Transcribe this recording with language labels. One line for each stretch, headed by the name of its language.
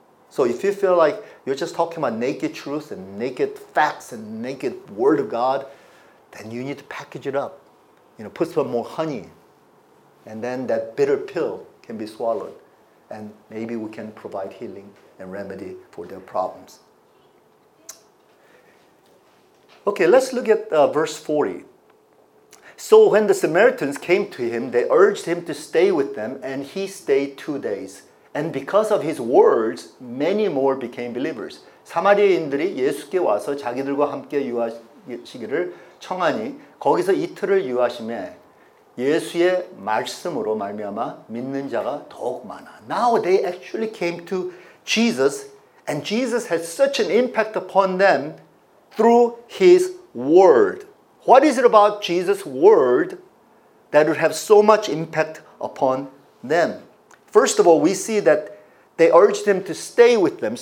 English: So if you feel like you're just talking about naked truth and naked facts and naked word of God, then you need to package it up, you know, put some more honey, and then that bitter pill can be swallowed, and maybe we can provide healing and remedy for their problems. Okay, let's look at verse 40. So when the Samaritans came to him, they urged him to stay with them, and he stayed 2 days. And because of his words, many more became believers.
Korean: 사마리아인들이 예수께 와서 자기들과 함께 유하시기를 청하니 거기서 이틀을 유하심에 예수의 말씀으로 말미암아 믿는 자가 더욱 많아.
English: Now they actually came to Jesus, and Jesus had such an impact upon them through his word. What is it about Jesus' word that would have so much impact upon them? First of all, we see that they urged him to stay with them.